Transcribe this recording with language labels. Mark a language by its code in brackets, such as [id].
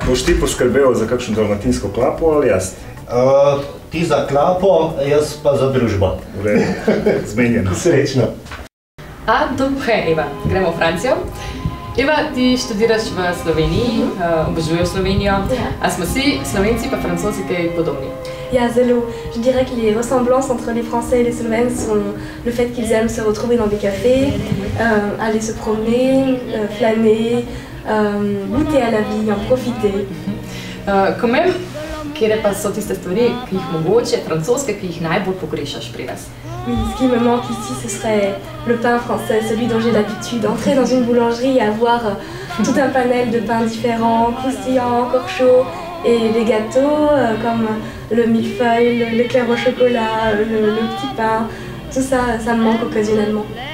[sl] Boš ti poskrbeo za kakšnu dalmatinsku klapu, ali jaz? Ti za klapo, jaz pa za družbo. V redu, zmenjeno. Srečno. A, dobro, Eva, gremo v Francijo. Eva, ti študiraš v Sloveniji, obožuješ Slovenijo. [en] Yeah. [sl] A smo si Slovenci pa Francozi kaj podobni? Ja, zelo. [fr] Je dirais que les ressemblances entre les Français et les Slovènes sont le fait qu'ils aiment se retrouver dans des cafés, aller se promener, flâner, goûter à la vie, en profiter. Quand même, [sl] kjere pa so tiste stvari, ki jih mogoče, francoske, ki jih najbolj pogrešaš pri nas? [fr] Oui, ce qui me manque ici, ce serait le pain français, celui dont j'ai l'habitude. Entrer dans une boulangerie et avoir tout un panel de pains différents, croustillants, encore chaud, et les gâteaux, comme le millefeuille, l'éclair au chocolat, le petit pain, tout ça, ça me manque occasionnellement.